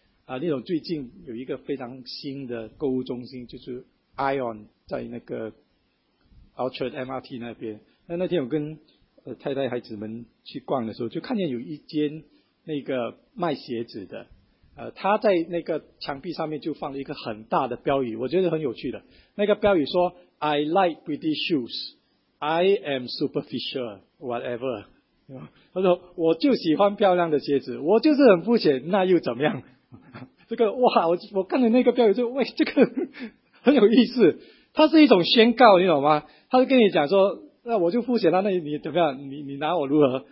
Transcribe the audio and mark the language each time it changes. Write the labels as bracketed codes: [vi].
[zh] 那种最近有一个非常新的购物中心，就是 ION 在那个Orchard MRT 那边。那天我跟太太孩子们去逛的时候，就看见有一间那个卖鞋子的，他在那个墙壁上面就放了一个很大的标语，我觉得很有趣的。那个标语说 [en] I like pretty shoes, I am superficial, whatever. [zh] 他说我就喜欢漂亮的鞋子，我就是很肤浅，那又怎么样？这个哇，我看了那个标语就喂，这个很有意思。它是一种宣告，你懂吗？他就跟你讲说，那我就肤浅了，那你怎么样？你拿我如何？